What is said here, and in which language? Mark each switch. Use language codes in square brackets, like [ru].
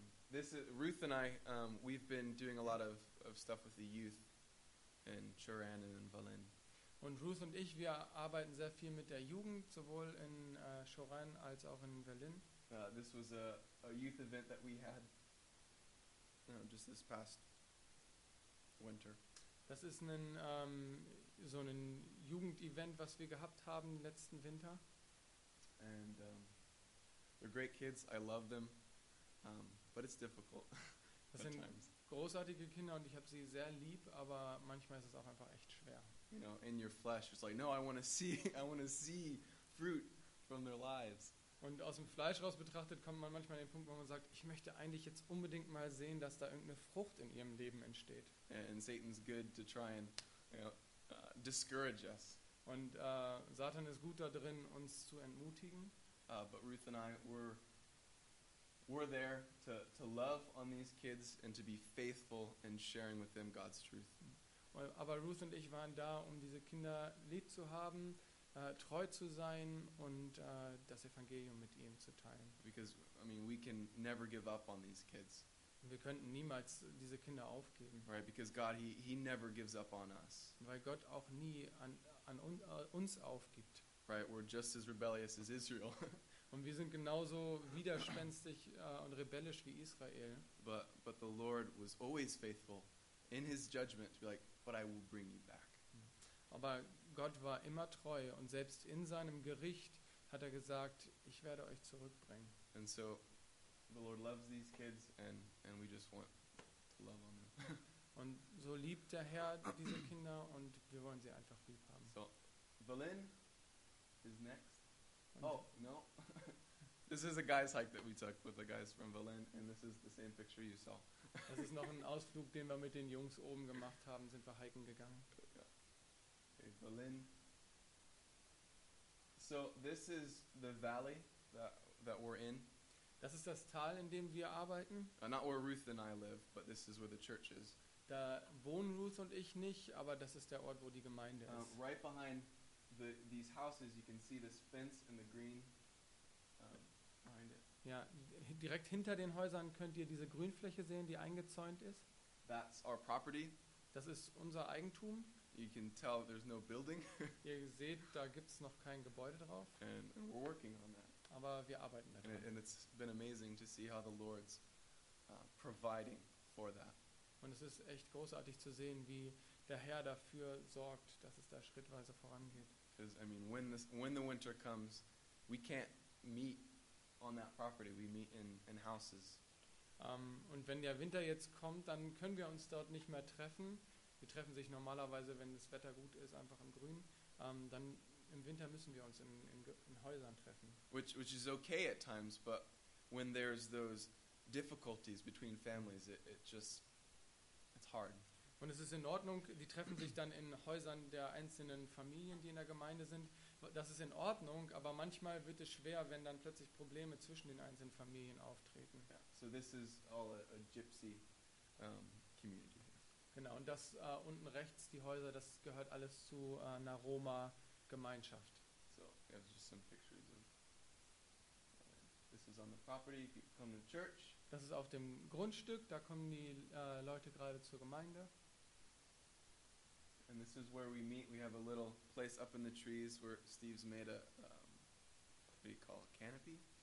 [en] This is Ruth and I, we've been doing a lot of stuff with the youth in Choran and in Valen. [de] Und Ruth und ich, wir arbeiten sehr viel mit der Jugend, sowohl in Choran als auch in Berlin. [en] This was a youth event that we had, you know, just this past winter. [de] Das ist ein so ein Jugendevent, was wir gehabt haben letzten Winter. [en] And they're great kids, I love them, but it's difficult. [de] Das sind großartige Kinder und ich habe sie sehr lieb, aber manchmal ist es auch einfach echt schwer. [en] You know, in your flesh, it's like, no, I want to see fruit from their lives. [de] Und aus dem Fleisch raus betrachtet, kommt man manchmal an den Punkt, wo man sagt, ich möchte eigentlich jetzt unbedingt mal sehen, dass da irgendeine Frucht in ihrem Leben entsteht. [en] And Satan's good to try and, you know, discourage us. [de] Und Satan ist gut da drin, uns zu entmutigen. [en] But Ruth and I were there to love on these kids and to be faithful in sharing with them God's truth. [de] Aber Ruth und ich waren da, um diese Kinder lieb zu haben, treu zu sein und das Evangelium mit ihnen zu teilen. [en] Because, I mean, we can never give up on these kids. [de] Wir könnten niemals diese Kinder aufgeben. [en] Right, because God, he never gives up on us. [de] Weil Gott auch nie an uns aufgibt. [en] Right, we're just as rebellious as Israel. [de] Und wir sind genauso widerspenstig und rebellisch wie Israel. [en] But the Lord was always faithful in his judgment to be like, but I will bring you back. [de] Aber Gott war immer treu und selbst in seinem Gericht hat er gesagt, ich werde euch zurückbringen. [en] And so the Lord loves these kids and we just want to love on them. [de] Und so liebt der Herr diese Kinder und wir wollen sie einfach lieb haben. [en] So Valen is next. Und oh, no. This is a guys hike that we took with the guys from Valen and this is the same picture you saw. [de] Das ist noch ein Ausflug, den wir mit den Jungs oben gemacht haben, sind wir hiken gegangen. [en] Okay, Valen. So this is the valley that we're in. [de] Das ist das Tal, in dem wir arbeiten. [en] Not where Ruth and I live, but this is where the church is. [de] Da wohnen Ruth und ich nicht, aber das ist der Ort, wo die Gemeinde ist. [en] Right behind these houses, you can see this fence in the green behind it. [de] Ja, direkt hinter den Häusern könnt ihr diese Grünfläche sehen, die eingezäunt ist. [en] That's our property. [de] Das ist unser Eigentum. [en] You can tell there's no building. [de] Ihr seht, da gibt's noch kein Gebäude drauf. [en] And we're working on that. [de] Aber wir arbeiten daran. [en] And it's been amazing to see how the Lord's providing for that. [de] Und es ist echt großartig zu sehen, wie der Herr dafür sorgt, dass es da schrittweise vorangeht. [en] Because I mean, when the winter comes, we can't meet on that property. We meet in houses. [de] Und wenn der Winter jetzt kommt, dann können wir uns dort nicht mehr treffen. Wir treffen sich normalerweise, wenn das Wetter gut ist, einfach im Grün. Dann im Winter müssen wir uns in Häusern treffen. [en] Which is okay at times, but when there's those difficulties between families, it's hard. [de] Und es ist in Ordnung, die treffen sich dann in Häusern der einzelnen Familien, die in der Gemeinde sind. Das ist in Ordnung, aber manchmal wird es schwer, wenn dann plötzlich Probleme zwischen den einzelnen Familien auftreten. [en] Yeah. So this is all a gypsy community. [de] Genau, und das unten rechts, die Häuser, das gehört alles zu einer Roma-Gemeinschaft. [en] So, yeah, it's just some pictures of this is on the property, people come to church. [de] Das ist auf dem Grundstück, da kommen die Leute gerade zur Gemeinde. [en] And this is where we meet. We have a little place up in the trees where Steve's made what do you call it, canopy?